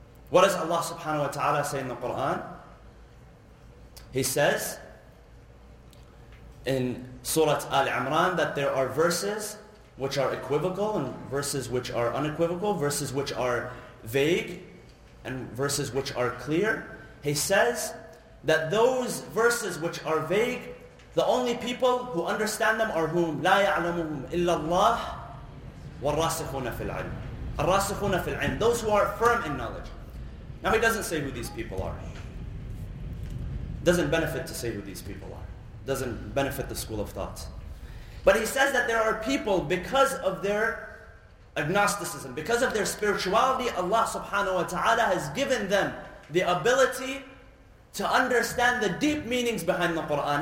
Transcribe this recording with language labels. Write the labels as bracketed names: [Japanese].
[English] What does Allah subhanahu wa ta'ala say in the Qur'an? He says in Surah Al-Imran that there are verses which are equivocal and verses which are unequivocal, verses which are vague and verses which are clear. He says that those verses which are vague, the only people who understand them are whom? [Arabic] لا يعلمهم إلا الله والراسخون في العلم. الراسخون في العلم. [English] Those who are firm in knowledge. Now he doesn't say who these people are. Doesn't benefit to say who these people are. Doesn't benefit the school of thought. But he says that there are people, because of their agnosticism, because of their spirituality, Allah subhanahu wa ta'ala has given them the ability to understand the deep meanings behind the Qur'an.